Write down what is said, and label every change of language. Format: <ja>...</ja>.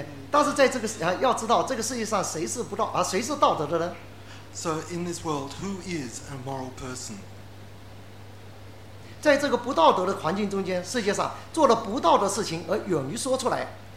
<zh>但是在这个要知道，这个世界上谁是不道谁是道德的呢</zh> <en>？So in this world, who is a moral person?</en> <zh>在这个不道德的环境中间，世界上做了不道德事情而勇于说出来。</zh>